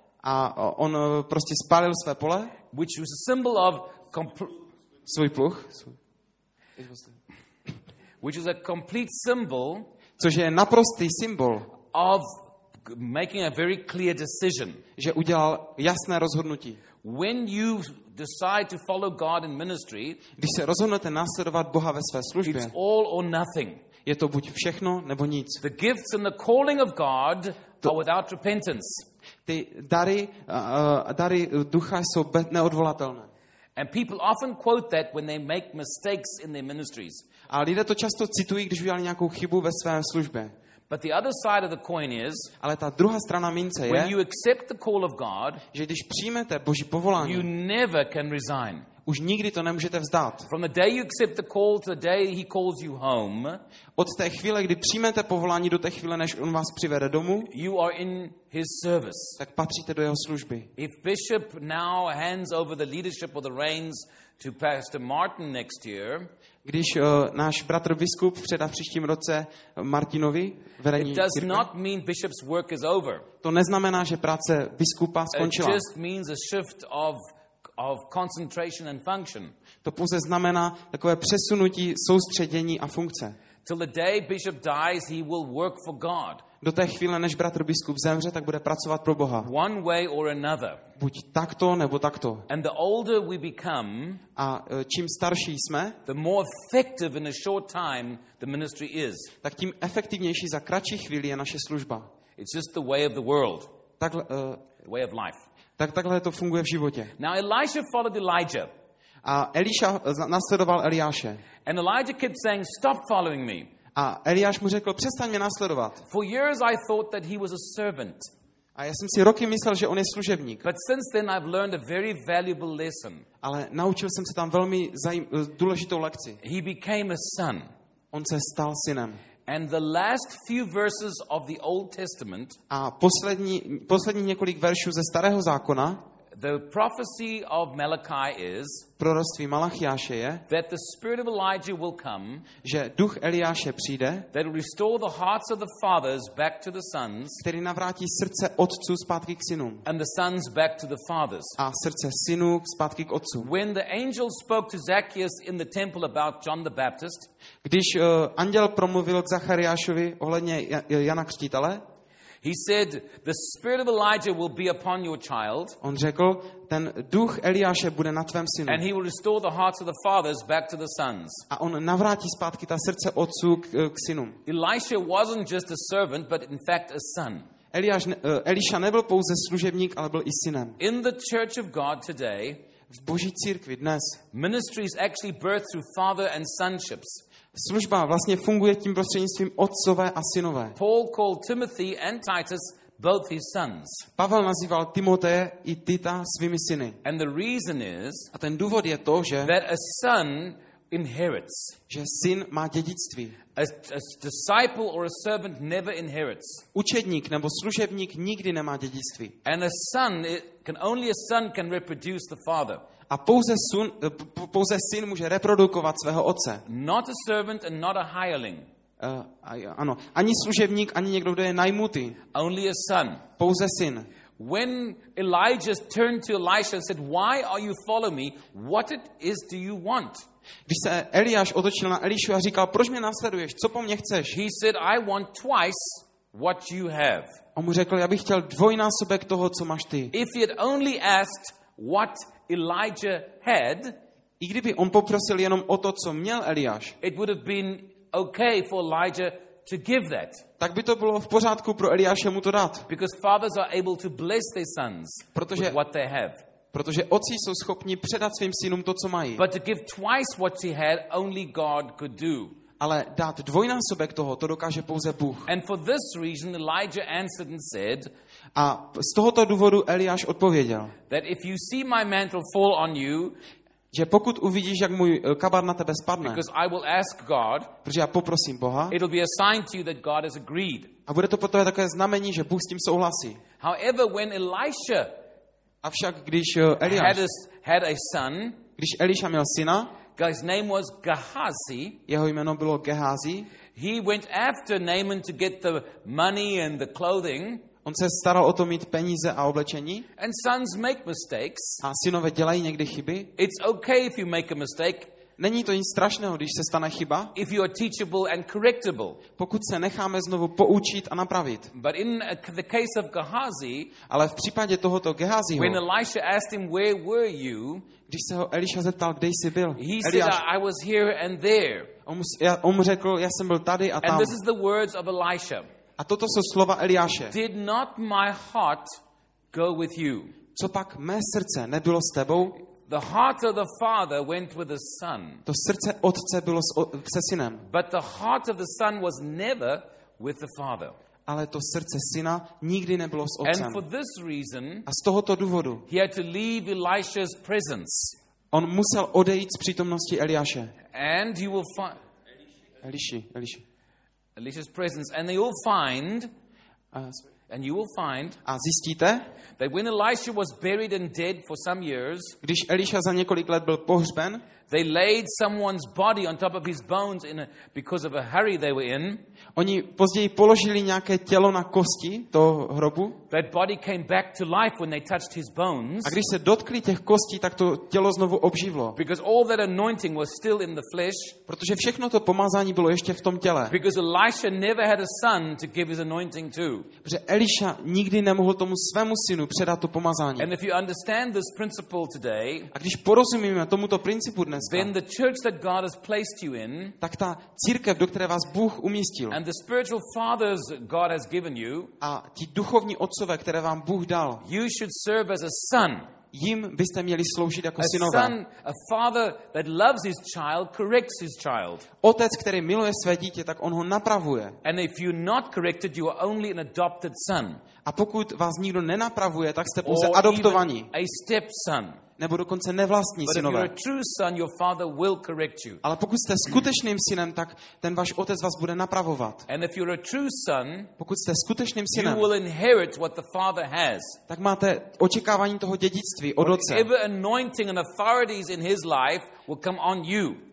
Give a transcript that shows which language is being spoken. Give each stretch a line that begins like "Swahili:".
Czech: a on prostě spálil své pole,
English: which was a symbol of
Czech: svůj pluh.
English: which is a complete symbol,
Czech: což je naprostý symbol
English: of making a very clear decision,
Czech: že udělal jasné rozhodnutí.
English: When you decide to follow God in ministry,
Czech: když se rozhodnete následovat Boha ve své službě,
English: it's all or nothing.
Czech: Je to buď všechno nebo nic.
English: The gifts and the calling of God are without repentance.
Czech: Ty dary ducha jsou neodvolatelné.
English: And people often quote that when they make mistakes in their ministries.
Czech: A lidé to často citují, když udělali nějakou chybu ve své službě.
English: But the other side of the coin is,
Czech: ale ta druhá strana mince je,
English: when you accept the call of God,
Czech: že když přijmete Boží povolání,
English: you never can resign.
Czech: Už nikdy to nemůžete vzdát.
English: From the day you accept the call to the day he calls you home,
Czech: od té chvíle, kdy přijmete povolání, do té chvíle, než on vás přivede domů,
English: you are in his service.
Czech: Tak patříte do jeho služby.
English: If bishop now hands over the leadership or the reins to Pastor Martin next year,
Czech: když náš bratr biskup předá v příštím roce Martinovi vedení
English: it does not mean bishop's work is over.
Czech: To neznamená, že práce biskupa skončila.
English: It just means a shift of concentration and function.
Czech: To pouze znamená takové přesunutí soustředění a funkce.
English: Till the day bishop dies, he will work for God.
Czech: Do té chvíle, než bratr biskup zemře, tak bude pracovat pro Boha.
English: One way or another.
Czech: Buď takto, nebo takto.
English: And the older we become,
Czech: a čím starší jsme,
English: the more effective in a short time the ministry is.
Czech: Tak tím efektivnější za kratší chvíli je naše služba.
English: It's just the way of the world.
Czech: Takhle,
English: way of life.
Czech: Tak takhle to funguje v životě.
English: Now Elijah followed Elijah.
Czech: A Eliša následoval Eliáše.
English: And Elijah kept saying, "Stop following me."
Czech: A Eliáš mu řekl, přestaň mě následovat.
English: For years I thought that he was a servant.
Czech: A já jsem si roky myslel, že on je služebník.
English: But since then I've learned a very valuable lesson.
Czech: Ale naučil jsem se tam velmi důležitou lekci.
English: He became a son.
Czech: On se stal synem.
English: And the last few verses of the Old Testament.
Czech: A poslední několik veršů ze Starého zákona.
English: The prophecy of Malachi is,
Czech: proroctví Malachiáše je,
English: that the spirit of Elijah will come,
Czech: že duch Eliáše přijde,
English: that will restore the hearts of the fathers back to the sons,
Czech: který navrátí srdce otců zpátky k synům,
English: and the sons back to the fathers,
Czech: a srdce synů zpátky k otcům.
English: When the angel spoke to Zacchaeus in the temple about John the Baptist,
Czech: když anděl promluvil k Zachariášovi ohledně Jana Křtitele,
English: he said, "The spirit of Elijah will be upon your child."
Czech: On řekl, ten duch Eliáše bude na tvém synu.
English: And he will restore the hearts of the fathers back to the sons.
Czech: A on navrátí zpátky ta srdce otců k synům.
English: Elijah wasn't just a servant, but in fact a son.
Czech: Eliáš nebyl pouze služebník, ale byl i synem.
English: In the church of God today,
Czech: v Boží církvi dnes,
English: ministry is actually birthed through father and sonships.
Czech: Služba vlastně funguje tím prostřednictvím otcové a synové.
English: Paul called Timothy and Titus both his sons.
Czech: Pavel nazýval Timoteje i Tita svými syny.
English: And the reason is,
Czech: a ten důvod je to, že
English: that a son inherits.
Czech: Že syn má dědictví.
English: A disciple or a servant never inherits.
Czech: Učedník nebo služebník nikdy nemá dědictví.
English: And a son can only a son can reproduce the father.
Czech: A pouze syn může reprodukovat svého otce.
English: Not a servant and not a hireling.
Czech: Ano, ani služebník, ani někdo, kdo je najmutý.
English: Only a son.
Czech: Pouze syn.
English: When Elijah turned to Elisha and said, "Why are you following me? What it is do you want?"
Czech: Když se Eliáš otočil na Elišu a říkal, proč mě následuješ? Co po mně chceš?
English: He said, "I want twice what you have."
Czech: On mu řekl, já bych chtěl dvojnásobek toho, co máš ty.
English: If he had only asked what Elijah had,
Czech: i kdyby on poprosil jenom o to, co měl Eliáš,
English: it would have been okay for Elijah to give that.
Czech: Tak by to bylo v pořádku pro Eliáše mu to dát.
English: Because fathers are able to bless their sons with what they have.
Czech: Protože otci jsou schopni předat svým synům to, co mají.
English: But to give twice what he had, only God could do.
Czech: Ale dát dvojnásobek toho, to dokáže pouze Bůh.
English: And for this reason, Elijah answered and said,
Czech: a z tohoto důvodu Eliáš odpověděl,
English: that if you see my mantle fall on you,
Czech: že pokud uvidíš, jak můj kabát na tebe spadne,
English: because I will ask God,
Czech: protože já poprosím Boha,
English: it'll be a sign to you that God has agreed.
Czech: A bude to pro tebe takové znamení, že Bůh s tím souhlasí.
English: However, when Elisha,
Czech: avšak když Eliáš
English: had a son,
Czech: když Eliša měl syna,
English: his name was Gehazi.
Czech: Jeho jméno bylo Gehazi.
English: He went after Naaman to get the money and the clothing.
Czech: On se staral o to mít peníze a oblečení.
English: And sons make mistakes.
Czech: A synové dělají někdy chyby.
English: It's okay if you make a mistake.
Czech: Není to nic strašného, když se stane chyba.
English: If you are teachable and correctable.
Czech: Pokud se necháme znovu poučit a napravit.
English: But in the case of Gehazi,
Czech: ale v případě tohoto Gehaziho,
English: when Elisha asked him, where were you?
Czech: Když se ho Eliša zeptal, kde jsi byl?
English: He said, I was here and there.
Czech: On mu řekl, já jsem byl tady a tam.
English: And this is the words of Elisha.
Czech: A toto jsou slova Eliáše.
English: Did not my heart go with you?
Czech: Co pak mé srdce nebylo s tebou?
English: The heart of the father went with the son.
Czech: To srdce otce bylo se synem.
English: But the heart of the son was never with the father.
Czech: Ale to srdce syna nikdy nebylo s otcem.
English: And for this reason,
Czech: a z tohoto důvodu,
English: he had to leave Elisha's presence.
Czech: On musel odejít z přítomnosti Eliáše.
English: And you will find Elisha's presence, and they will find. And you will find
Czech: a zjistíte,
English: that when Elisha was buried and dead for some years,
Czech: když Eliša za několik let byl pohřben,
English: they laid someone's body on top of his bones in a, because of a hurry they were in.
Czech: Oni později položili nějaké tělo na kosti toho hrobu.
English: That body came back to life when they touched his bones.
Czech: A když se dotkli těch kostí, tak to tělo znovu obživlo.
English: Because all that anointing was still in the flesh.
Czech: Protože všechno to pomazání bylo ještě v tom těle.
English: Because Elisha never had a son to give his anointing to.
Czech: Eliša nikdy nemohl tomu svému synu předat to pomazání.
English: And if you understand this principle today,
Czech: a když porozumíme tomuto principu dneska,
English: then the church that God has placed you in,
Czech: tak ta církev, do které vás Bůh umístil,
English: and the spiritual fathers God has given you,
Czech: a ti duchovní otcové, které vám Bůh dal,
English: you should serve as a son.
Czech: Jim byste měli sloužit jako a synové.
English: Son, a father that loves his child corrects his child.
Czech: Otec, který miluje své dítě, tak on ho napravuje.
English: And if you're not corrected, you are only an adopted son.
Czech: A pokud vás nikdo nenapravuje, tak jste pouze adoptovaní.
English: A stepson.
Czech: Nebo dokonce nevlastní
English: but
Czech: synové.
English: If you're a true son, your father will correct you.
Czech: Ale pokud jste skutečným synem, tak ten váš otec vás bude napravovat.
English: And if you're a true son,
Czech: pokud jste skutečným synem,
English: you will inherit what the father has.
Czech: Tak máte očekávání toho dědictví od otce.
English: Whatever anointing and authorities in his life will come on you.